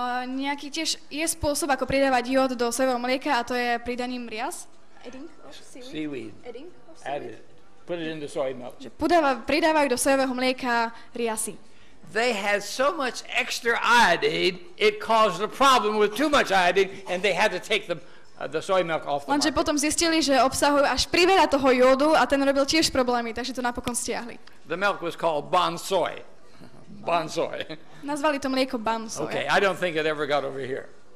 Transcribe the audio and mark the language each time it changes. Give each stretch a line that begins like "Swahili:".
Slovak: Nejaký tiež je spôsob, ako pridávať jód do sojového mlieka, a to je pridaním rias?
English: Adding of seaweed. Added. Put it in the soy milk.
Slovak: Pridávajú do sojového mlieka riasy.
English: They had so much extra iodine, it caused a problem with too much iodine, and they had to take the soy milk off the market.
Slovak: Lenže potom zistili, že obsahujú až priveľa toho jódu, a ten robil tiež problémy, takže to napokon stiahli.
English: The milk was called Bonsoy. Bonsoy.
Slovak: Nazvali to mlieko Bonsoy.
English: Okay, I don't think it ever got over here.